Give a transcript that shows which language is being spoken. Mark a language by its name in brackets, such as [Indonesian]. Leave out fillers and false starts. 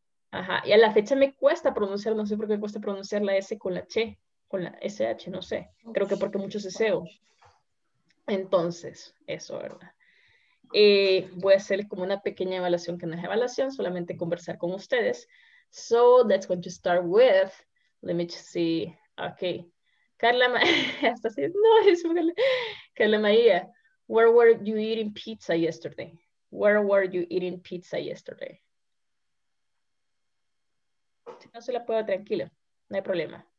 [Spanish] Ajá, y a la fecha me cuesta pronunciar, no sé por qué cuesta pronunciar la S con la Che, con la SH, no sé. Creo que porque mucho ceseo. Entonces, eso, ¿verdad? Voy a hacer como una pequeña evaluación que no es evaluación, solamente conversar con ustedes. [English] So, that's going to start with, let me just see, okay. Carla, [Spanish] hasta así, no, es [English] Carla María, where were you eating pizza yesterday? Where were you eating pizza yesterday? [Spanish] Si no se la puedo, tranquilo, no hay problema.